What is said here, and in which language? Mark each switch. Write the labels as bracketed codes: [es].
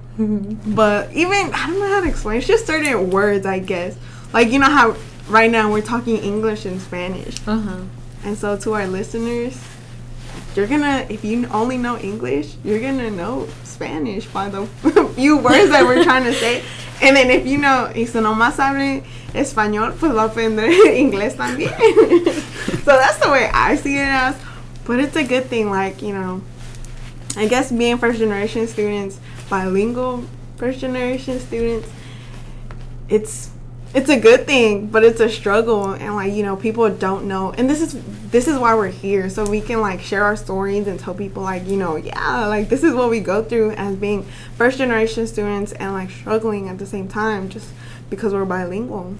[en] But even, I don't know how to explain. It's just certain words, I guess. Like, you know how right now we're talking English and Spanish. Uh-huh. And so to our listeners, you're going to, if you only know English, you're going to know Spanish by the few words that we're trying to say. And then if you know, [es] y si nomás hablan español, pues va a aprender inglés también. [en] So that's the way I see it as. But it's a good thing, like, you know, I guess being first-generation students, bilingual first-generation students, it's a good thing, but it's a struggle, and, like, you know, people don't know, and this is why we're here, so we can, like, share our stories and tell people, like, you know, yeah, like, this is what we go through as being first-generation students and, like, struggling at the same time just because we're bilingual.